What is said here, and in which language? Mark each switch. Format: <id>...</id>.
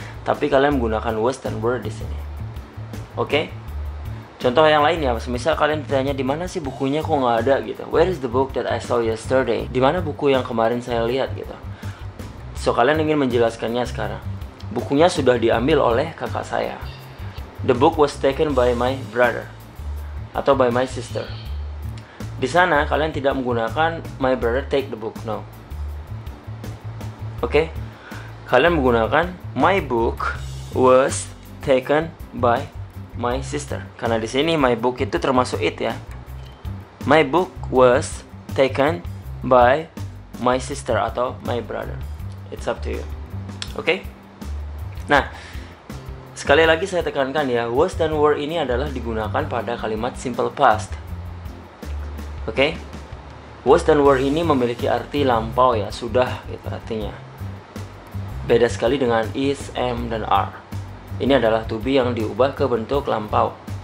<id>Tapi kalian menggunakan was dan were di sini. Oke? Okay? Contoh yang lain ya, misal kalian ditanya di mana sih bukunya kok enggak ada gitu.</id> <en>Where is the book that I saw yesterday?</en> <id>Di mana buku yang kemarin saya lihat gitu. So kalian ingin menjelaskannya sekarang. Bukunya sudah diambil oleh kakak saya.</id> <en>The book was taken by my brother atau by my sister.</en> <id>Di sana kalian tidak menggunakan</id> <en>my brother take the book,</en> <id>no. Oke? Okay? Kalian menggunakan</id> <en>my book was taken by my sister.</en> <id>Karena di sini</id> <en>my book</en> <id>itu termasuk</id> <en>it ya. My book was taken by my sister atau my brother. It's up to you. Oke? Okay?</en> <id>Nah, sekali lagi saya tekankan ya, was dan were ini adalah digunakan pada kalimat simple past. Oke? Okay? Was dan were ini memiliki arti lampau ya, sudah gitu artinya. Beda sekali dengan is, am, dan are. Ini adalah to be yang diubah ke bentuk lampau.</id>